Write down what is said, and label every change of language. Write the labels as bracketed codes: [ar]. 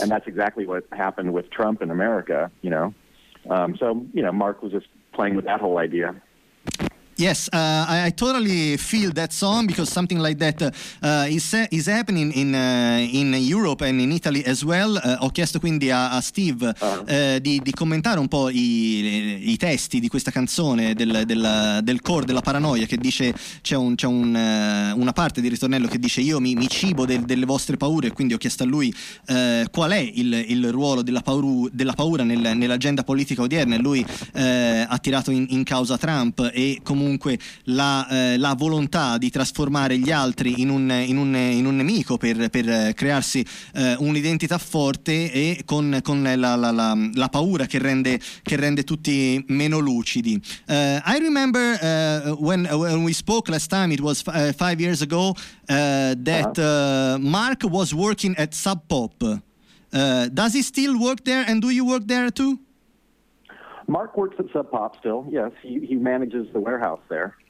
[en] And that's exactly what happened with Trump in America, you know. So, you know, Mark was just playing with that whole idea. Yes, I totally feel that song, because something like that is happening in Europe and in Italy as well. [it] Ho chiesto quindi a Steve di commentare un po' i testi di questa canzone del core della paranoia, che dice c'è una parte di ritornello che dice io mi cibo delle vostre paure, e quindi ho chiesto a lui qual è il ruolo della paura nell'agenda politica odierna, e lui ha tirato in causa Trump e comunque la volontà di trasformare gli altri in un nemico per crearsi un'identità forte, e con la paura che rende tutti meno lucidi. [en] I remember when we spoke last time, it was 5 years ago, that Mark was working at Sub Pop. Does he still work there, and do you work there too? Mark works at Sub Pop still. Yes, he manages the warehouse there.